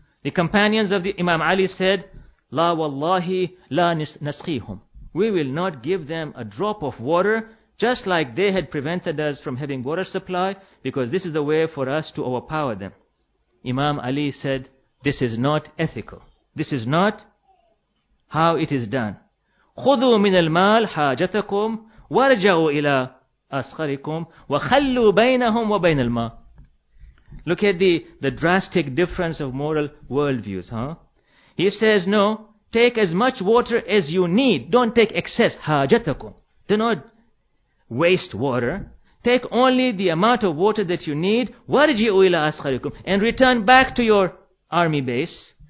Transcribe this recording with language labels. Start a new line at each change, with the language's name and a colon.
English: The companions of the Imam Ali said,
Arabic: لا والله لا نسقيهم.
English: We will not give them a drop of water, just like they had prevented us from having water supply, because this is the way for us to overpower them. Imam Ali said, this is not ethical. This is not how it is done.
Arabic: خذوا من المال حاجتكم وارجعوا إلى أسخركم وخلوا بينهم وبين الماء.
English: Look at the drastic difference of moral worldviews, huh? He says, no, take as much water as you need. Don't take excess. حاجتكم. Do not waste water. Take only the amount of water that you need.
Arabic: وارجعوا إلى أسخركم.
English: And return back to your army base.